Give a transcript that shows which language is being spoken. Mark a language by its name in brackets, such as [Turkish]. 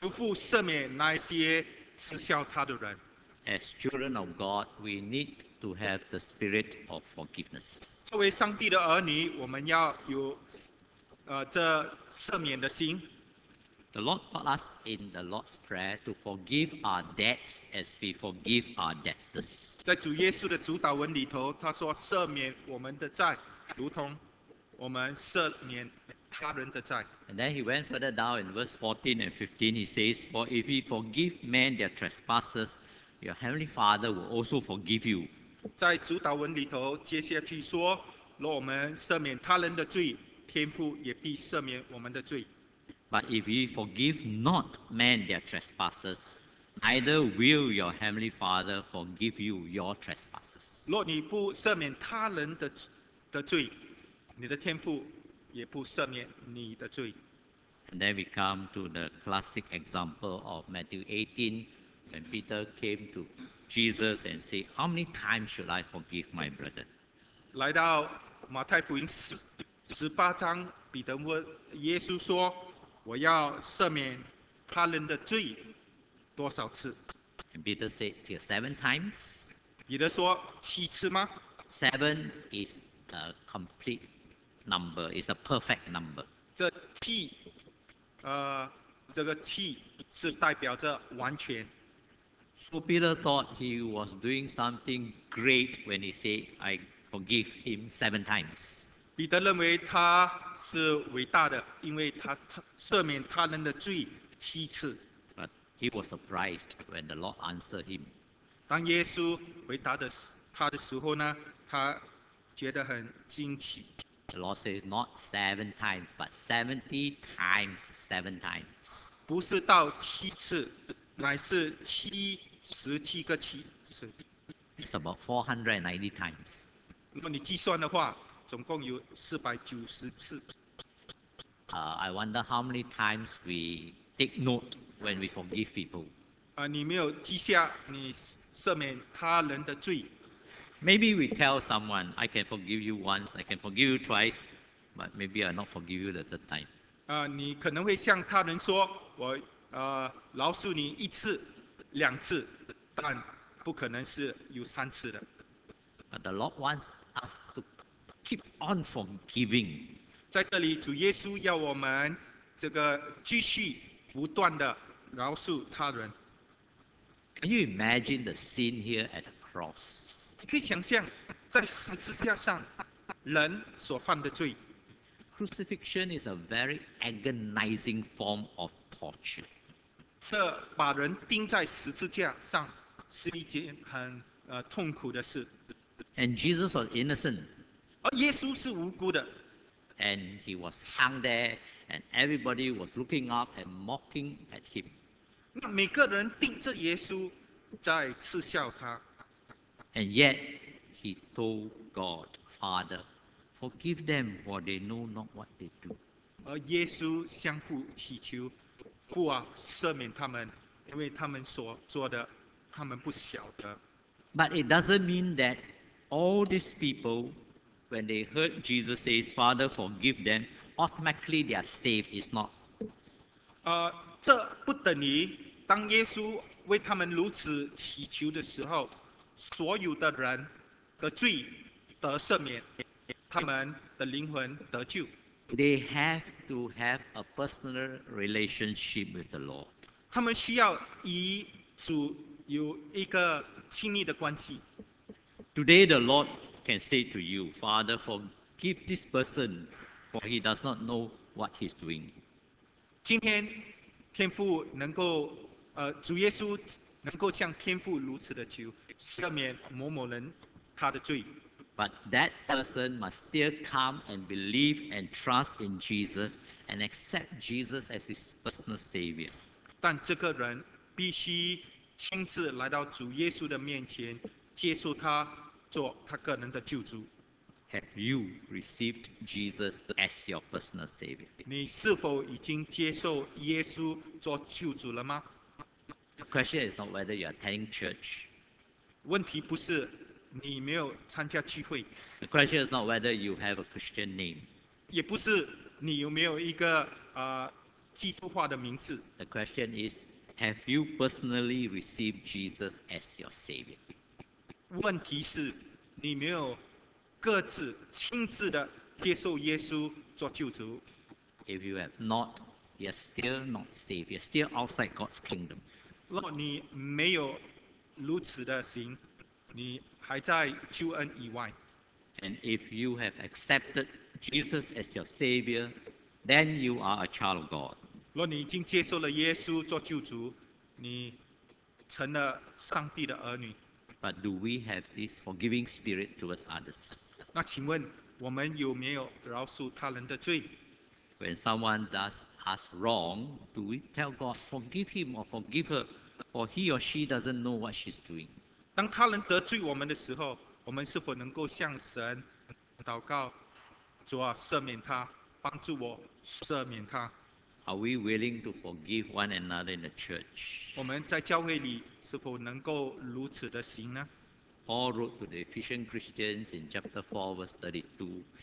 [Chinese] 他向父祈求，求父赦免那些耻笑他的人。 [English] As children of God, we need to have the spirit of forgiveness. [Chinese] 作为上帝的儿女，我们要有这赦免的心。 [English] The Lord taught us in the Lord's Prayer to forgive our debts as we forgive our debtors. [Chinese] 在主耶稣的主导文里头，他说赦免我们的债，如同我们赦免 [English] And then he went further down in verse 14 and 15. He says, For if ye forgive men their trespasses, your heavenly Father will also forgive you. [Chinese] 在主导文里头，接下去说,若我们赦免他人的罪，天父也必赦免我们的罪。 [English] But if you forgive not men their trespasses, neither will your heavenly Father forgive you your trespasses. [Chinese] 若你不赦免他人 的罪，你的天父也不赦免你的罪。 [English] And then we come to the classic example of Matthew 18, when Peter came to Jesus and said, "How many times should I forgive my brother?" [Chinese] 来到马太福音18章，彼得问耶稣说。我要赦免他人的罪多少次？ [English] And Peter said, till 7 times. [Chinese] 彼得说七次吗？ [English] 7 is a complete number, is a perfect number. [Chinese] 这个七是代表着完全。 [English] So Peter thought he was doing something great when he said, I forgive him 7 times. [Chinese] 彼得认为他是伟大的，因为他赦免他人的罪七次。 [English] But he was surprised when the Lord answered him. [Chinese] 当耶稣回答他的时候呢，他觉得很惊奇。 [English] The Lord says not 7 times, but 70 times 7 times. [Chinese] 不是到七次，乃是77个七次。 [English] It's about 490 times. [Chinese] 如果你计算的话。总共有490次。 [English] I wonder how many times we take note when we forgive people. [Chinese] 你没有记下你赦免他人的罪。 [English] Maybe we tell someone, I can forgive you once, I can forgive you twice, but maybe I'll not forgive you the third time. [Chinese] 你可能会向他人说，我饶恕你一次、两次，但不可能是有三次的。 [English] But the Lord wants us to. Keep on forgiving. [Chinese] 在这里，主耶稣要我们这个继续不断的饶恕他人。 [English] Can you imagine the scene here at the cross? [Chinese] 你可以想象在十字架上人所犯的罪。 [English] Crucifixion is a very agonizing form of torture. [Chinese] 这把人钉在十字架上是一件很痛苦的事。 [English] And Jesus was innocent. [Chinese] 而耶稣是无辜的。 [English] And he was hung there, and everybody was looking up and mocking at him. [Chinese] 那每个人盯着耶稣，在嗤笑他。 [English] And yet he told God, Father, forgive them, for they know not what they do. [Chinese] 而耶稣向父祈求，父啊，赦免他们，因为他们所做的，他们不晓得。 [English] But it doesn't mean that all these people. When they heard Jesus say, Father, forgive them, automatically they are saved. It's not. [Chinese] 这不等于当耶稣为他们如此祈求的时候，所有的人的罪得赦免，他们的灵魂得救。 [English] They have to have a personal relationship with the Lord. [Chinese] 他们需要与主有一个亲密的关系。 [English] Today the Lord. Can say to you, Father, forgive this person, for he does not know what he's doing. [Chinese] 今天，天父能够，主耶稣能够向天父如此的求，赦免某某人他的罪。 [English] But that person must still come and believe and trust in Jesus and accept Jesus as his personal savior. [Chinese] 但这个人必须亲自来到主耶稣的面前，接受他。做他个人的救主。 [English] Have you received Jesus as your personal savior? [Chinese] 你是否已经接受耶稣做救主了吗？ [English] The question is not whether you are attending church. [Chinese] 问题不是你没有参加聚会。 [English] The question is not whether you have a Christian name. [Chinese] 也不是你有没有一个基督化的名字。 [English] The question is, have you personally received Jesus as your savior? [Chinese] 问题是，你没有各自亲自的接受耶稣做救主。 [English] If you have not, you're still not saved. You're still outside God's kingdom. [Chinese] 若你没有如此的行，你还在救恩以外。 [English] And if you have accepted Jesus as your Savior, then you are a child of God. [Chinese] 若你已经接受了耶稣做救主，你成了上帝的儿女。 [English] But do we have this forgiving spirit towards others? [Chinese] 那请问我们有没有饶恕他人的罪。 [English] When someone does us wrong, do we tell God, forgive him or forgive her, or he or she doesn't know what she's doing? [Chinese] 当他人得罪我们的时候，我们是否能够向神祷告，主啊，赦免他，帮助我赦免他。 [English] Are we willing to forgive one another in the church? [Chinese] 我们在教会里是否能够如此的行呢？ [English] Paul wrote to the Ephesian Christians in chapter 4, verse 32.